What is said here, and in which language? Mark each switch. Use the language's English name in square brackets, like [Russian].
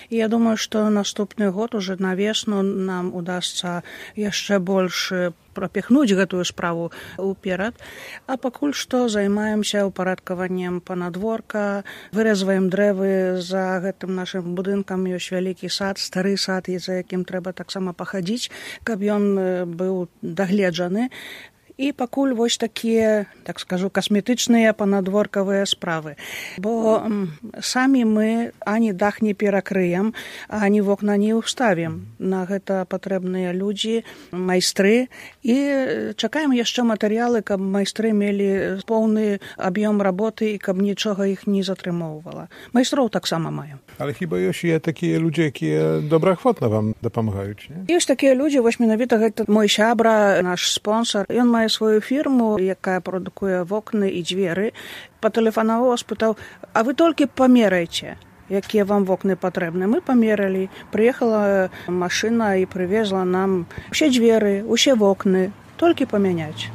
[Belarusian] І я думаю, што наступны год, ужо на весну, нам удасца яшчэ больш прапіхнуць гэтую справу ўперад. А пакуль што займаемся ўпарадкаваннем панадворка, выразваем дрэвы за гэтым нашым будынкам, ёсць вялікі сад, стары сад, за якім трэба таксама пахадзіць, каб ён быў дагледжаны. [Ukrainian] І пакуль ось такі, так скажу, косметичні понадворкові справи. Бо самі ми ані дах не перекриємо, ані вікна не вставимо. [Belarusian] На гэта [Ukrainian] потрібні люди, майстри. І чекаємо ще матеріали, каб майстри мали повний об'єм роботи і каб нічого їх не затримувало. Майстров так само маємо. Але хіба є такі люди, які доброхвотно вам допомагають? Є такі люди, [Belarusian] ось менавіта, гэта мой сябра, наш спонсор. [Ukrainian] Ён має свою фірму, яка продукує вікна і двері. Потелефонував, спитав, а ви тільки поміряйте, які вам вікна потрібні. Ми поміряли, приїхала машина і привезла нам ще двері, ще вікна, тільки поміняти.